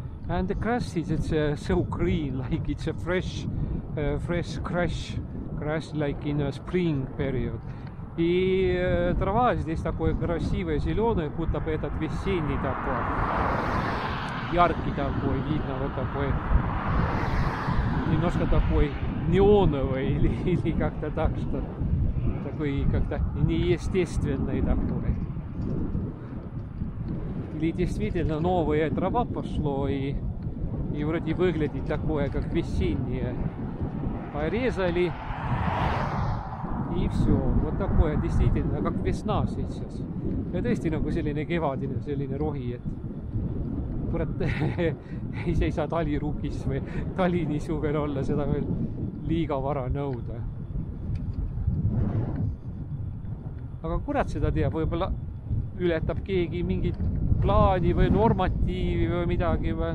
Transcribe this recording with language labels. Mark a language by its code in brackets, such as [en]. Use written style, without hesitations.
[en] And the grass is it's so green, like it's a fresh fresh grass like in a spring period. [ru] И трава здесь такое красивое зелёное, будто бы этот весенний такой. Яркий такой, видно вот такой. Немножко такой неоновый или как-то так, что такой как-то неестественный такой. Или действительно новая трава пошло и вроде выглядит такое, как весеннее. Порезали и все. Вот такое действительно, как весна сейчас. Это истинно, как [et] селене кевадине, селене рохиет. Kurat, ise ei saa talirukis või talinisu veel olla, seda veel liiga vara nõuda. Aga kurat seda teab, võibolla ületab keegi mingit plaani või normatiivi või midagi.